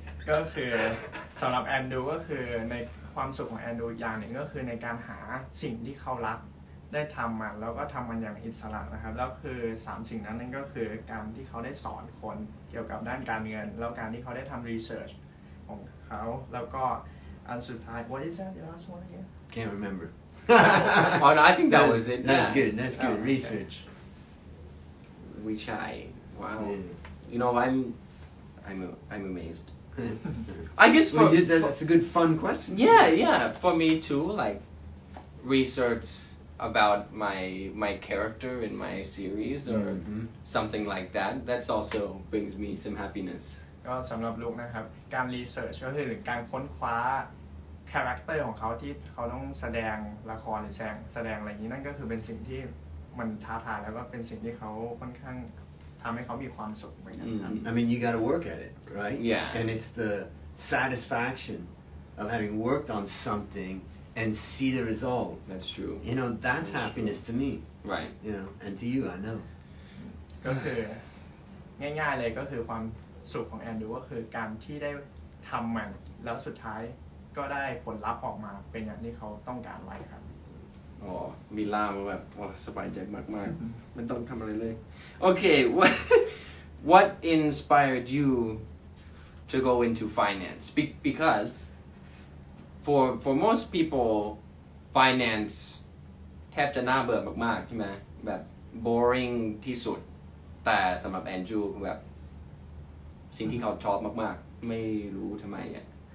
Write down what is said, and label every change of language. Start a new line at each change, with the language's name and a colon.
Thai: ก็คือสำหรับแอนดูก็คือในความสุขของแอนดูอย่างหนึ่งก็คือในการหาสิ่งที่เขารักได้ทำมันแล้วก็ทำมันอย่างอิสระนะครับแล้วคือ3สิ่งนั้นนั่นก็คือการที่เขาได้สอนคนเกี่ยวกับด้านการเงินแล้วการที่เขาได้ทำรีเสิร์ชของเขาแล้วก็อันสุดท้าย
English: What is that the last one again Can't remember Oh no I think that was it That's good That's good research We try Wow You know I'm amazed I guess for that's a good fun question Yeah for me too like researchAbout my character in my series or something like that. That's also brings me some happiness.
Thai: ก็สำหรับลูกนะครับการรีเสิร์ชก็คือการค้นคว้าคาแรคเตอร์ของเขาที่เขาต้องแสดงละครหรือแสดงอะไรนี้นั่นก็คือเป็นสิ่งที่มันท้าทายแล้วก็เป็นสิ่งที่เขาค่อนข้างทำให้เขามีความสุขเหมือนกัน
English: I mean you got to work at it, right? Yeah. And it's the satisfaction of having worked on something. And see the result. That's true. You know, that's happiness to me. Right. You know, and to you, I know.
Thai: ก็คือง่ายๆเลยก็คือความสุขของแอนดูก็คือการที่ได้ทำมันแล้วสุดท้ายก็ได้ผลลัพธ์ออกมาเป็นอย่างที่เขาต้องการไว้ครับ อ๋อมีล่ามาแบบสบายใจมากๆไม่ต้องทำอะไรเลยโอเค
English: what inspired you to go into finance becauseFor most people, finance
Thai: แทบจะน่าเบื่อมากๆใช่ไหมแบบ boring ที่สุดแต่สำหรับแอนดรูว์แบบสิ่งที่เขาชอบมากๆไม่รู้ทำไมอ่ะ